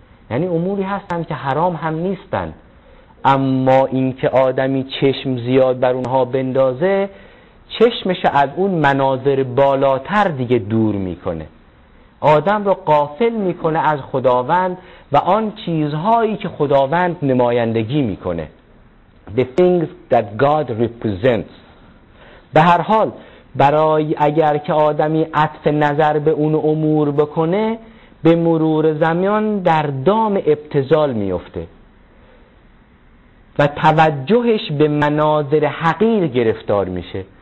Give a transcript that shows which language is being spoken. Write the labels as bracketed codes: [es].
[fa] یعنی اموری هستن که حرام هم نیستن، اما اینکه آدمی چشم زیاد بر اونها بندازه چشمش از اون مناظر بالاتر دیگه دور میکنه، آدم رو غافل میکنه از خداوند و آن چیزهایی که خداوند نمایندگی میکنه. [en] The things that God represents. [fa] به هر حال برای اگر که آدمی عطف نظر به اون امور بکنه، به مرور زمان در دام ابتذال میفته و توجهش به مناظر حقیر گرفتار میشه.